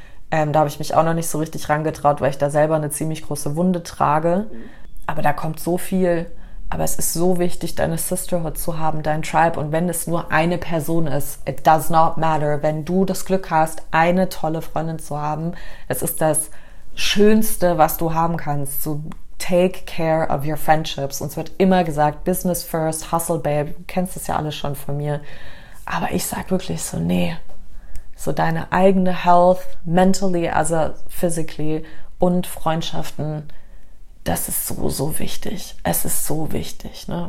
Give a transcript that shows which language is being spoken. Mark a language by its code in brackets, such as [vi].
[de] Da habe ich mich auch noch nicht so richtig rangetraut, weil ich da selber eine ziemlich große Wunde trage. Aber da kommt so viel. Aber es ist so wichtig, deine Sisterhood zu haben, dein Tribe. Und wenn es nur eine Person ist, [en] it does not matter. [de] Wenn du das Glück hast, eine tolle Freundin zu haben, es ist das Schönste, was du haben kannst. [en] So, take care of your friendships. [de] Uns wird immer gesagt, [en] Business first, hustle babe. [de] Du kennst das ja alles schon von mir. Aber ich sag wirklich so, nee. So deine eigene Health, mentally, also physically und Freundschaften. Das ist so, so wichtig. Es ist so wichtig. Ne?